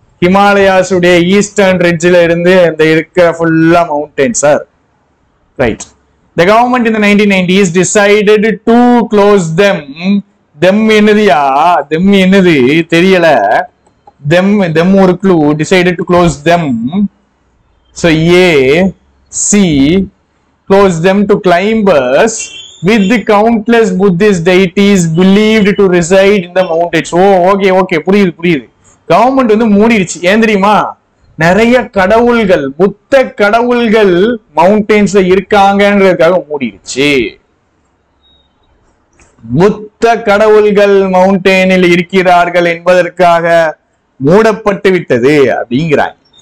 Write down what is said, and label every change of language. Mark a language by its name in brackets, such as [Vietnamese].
[Tamil] Himalayas உடைய eastern ரிட்ஜில் இருந்து அந்த இருக்கிற ஃபுல்லா mountain sir, right? [English] The government in the 1990s decided to close them. [Tamil] Them என்னதுயா, them என்னது தெரியல, them ஒரு clue, [English] decided to close them. So A, C, close them to climbers with the countless Buddhist deities believed to reside in the mountains. [Tamil] Oh, okay, okay, புரியுது புரியுது. Government வந்து மூடிடுச்சு, ஏன் தெரியுமா, நிறைய கடவுள்கள், புத்த கடவுள்கள் மவுண்டன்ஸ்ல இருக்காங்கன்றதுக்காக மூடிடுச்சு. புத்த கடவுள்கள் மவுண்டெயினில் இருக்கிறார்கள் என்பதற்காக மூடப்பட்டு விட்டது அப்படிங்கிறாங்க.